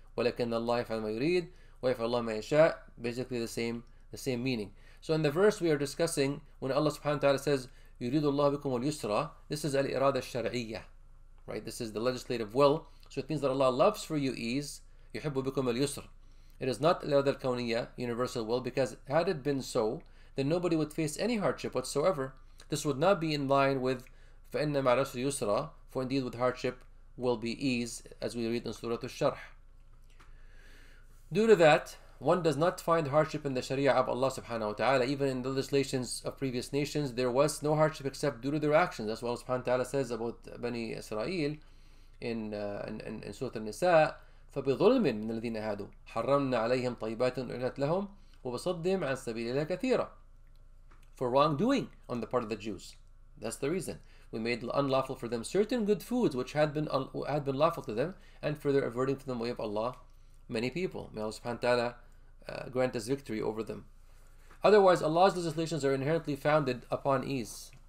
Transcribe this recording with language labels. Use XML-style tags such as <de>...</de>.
<ar>وَلَكِنَّ اللَّهَ يَفْعَلُ مَا يُرِيدُ وَيَفْعَلُ اللَّهُ مَا يَشَاءُ,</ar> <en>basically the same meaning. So in the verse we are discussing, when Allah subhanahu wa ta'ala says</en> <ar>يُرِيدُ اللَّهُ بِكُمُ الْيُسْرَ,</ar> <en>this is al-irada الشَّرْعِيَّةُ, right? This is the legislative will. So it means that Allah loves for you ease,</en> <ar>يُحِبُّ بِكُمُ الْيُسْرَ.</ar> <en>It is not al-irada الْكَوْنِيَّةُ, universal will, because had it been so, then nobody would face any hardship whatsoever. This would not be in line with</en> <ar>فَإِنَّ مَعَ الْعُسْرِ يُسْرًا,</ar> <en>for indeed with hardship will be ease, as we read in Surah Al-Sharh. Due to that, one does not find hardship in the Sharia of Allah subhanahu wa ta'ala. Even in the legislations of previous nations, there was no hardship except due to their actions. That's what Allah subhanahu wa ta'ala says about Bani Israel in Surah Al-Nisa,</en> <ar>فَبِظُلْمٍ مِنَ الَّذِينَ هَادُوا حَرَّمْنَا عَلَيْهِمْ طَيْبَاتٍ أُحِلَّتْ لَهُمْ وَبَصَدِّهِمْ عَنْ سَبِيلِ اللَّهِ كَثِيرًا.</ar> <en>For wrongdoing on the part of the Jews. That's the reason. We made unlawful for them certain good foods which had been lawful to them, and further averting from the way of Allah many people. May Allah subhanahu wa ta'ala grant us victory over them. Otherwise, Allah's legislations are inherently founded upon ease.</en>